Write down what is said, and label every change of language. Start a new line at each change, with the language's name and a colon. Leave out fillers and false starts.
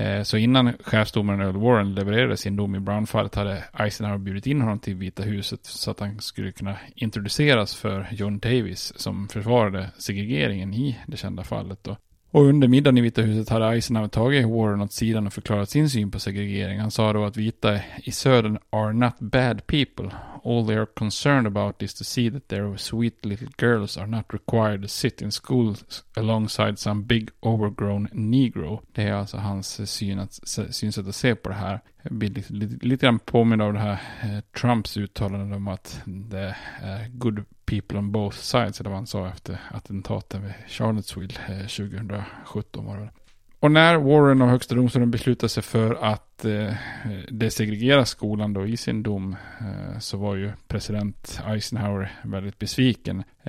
Swedish: Så innan chefsdomaren Earl Warren levererade sin dom i Brown-fallet hade Eisenhower bjudit in honom till Vita huset så att han skulle kunna introduceras för John Davis som försvarade segregeringen i det kända fallet då. Och under middagen i Vita huset hade Eisenhower tagit Warren åt sidan och förklarat sin syn på segregering. Han sa då att vita i södern
English: are not bad people. All they are concerned about is to see that their sweet little girls are not required to sit in schools alongside some big overgrown negro.
Swedish: Det är alltså hans synsätt att se på det här. Jag blir lite grann påminna av det här Trumps uttalande om att det är
English: good people on both sides,
Swedish: eller vad han sa efter attentaten vid Charlottesville 2017. Och när Warren och högsta domstolen beslutade sig för att desegregera skolan då i sin dom så var ju president Eisenhower väldigt besviken.